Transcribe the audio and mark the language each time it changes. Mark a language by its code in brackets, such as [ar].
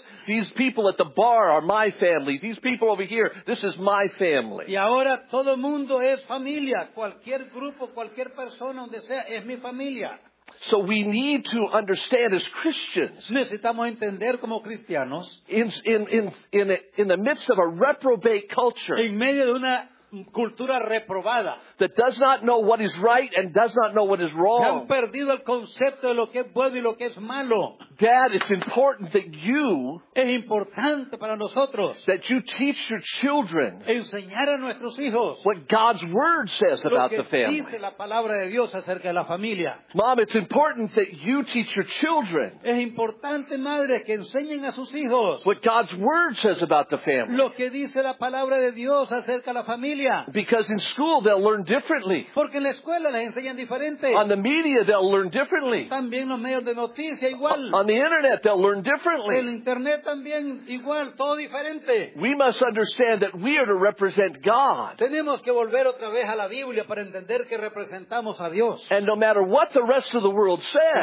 [en] These people at the bar are my family. These people over here, this is my family. [es] Y ahora todo mundo es familia. Cualquier grupo, cualquier persona, donde sea, es mi familia. [en] So we need to understand as Christians, [es] necesitamos entender como cristianos, [en] in the midst of a reprobate culture, [es] en medio de una cultura reprobada, [en] that does not know what is right and does not know what is wrong, [es] han perdido el concepto de lo que es bueno y lo que es malo. [en] Dad, it's important that you, [es] es importante para nosotros, [en] that you teach your children, [es] enseñar a nuestros hijos, [en] what God's word says about the family. [es] Lo que dice la palabra de Dios acerca de la familia. [en] Mom, it's important that you teach your children, [es] es importante, madre, que enseñen a sus hijos, [en] what God's word says about the family. [es] Lo que dice la palabra de Dios acerca de la familia. [en] Because in school they'll learn differently. [es] Porque en la escuela les enseñan diferente. [en] On the media they'll learn differently. [es] También los medios de noticia igual. [en] On the internet they'll learn differently. [es] El internet también igual, todo diferente. [en] We must understand that we are to represent God. [es] Tenemos que volver otra vez a la Biblia para entender que representamos a Dios. [en] And no matter what the rest of the world says,